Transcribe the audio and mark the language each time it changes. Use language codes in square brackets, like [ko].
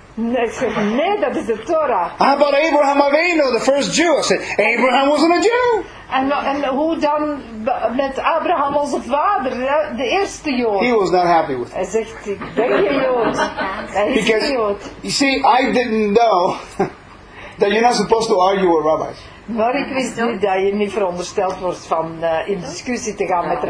[nl] Nee, ik zeg, nee, dat is de Torah. [en] How about Abraham Avinu, the first Jew? I said, Abraham wasn't a Jew. [nl] En hoe dan met Abraham onze vader, de eerste Jood? [en] He was not happy with. [nl] Hij zegt, ik ben geen Jood. [en] Because, you see, I didn't know that you're not supposed to argue with rabbis. [nl] Maar ik wist niet dat je niet verondersteld wordt van in discussie te gaan met rabbis.